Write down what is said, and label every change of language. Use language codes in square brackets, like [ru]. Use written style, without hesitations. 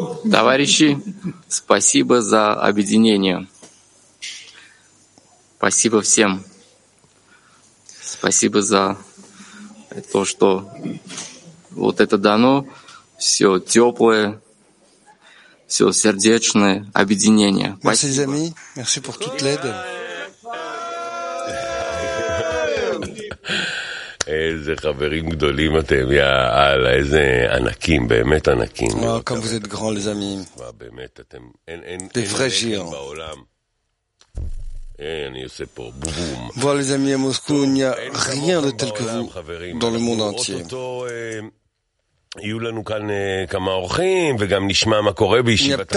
[ru] Товарищи, спасибо за объединение. Спасибо всем. Спасибо за то, что вот это дано, все теплое, все сердечное объединение. [fr] Merci les amis, merci pour toute l'aide. [he] איזה חברים גדולים אתם, יאללה, איזה ענקים, באמת ענקים. [fr] Oh, [he] כמה [fr] vous êtes grands les amis. [he] באמת, אתם, אין ענקים בעולם. אני עושה פה, בום. [fr] Voilà les amis à Moscou, il n'y a rien de tel que vous dans le monde entier. [he] יהיו לנו כאן כמה אורחים וגם נשמע מה קורה בישיבת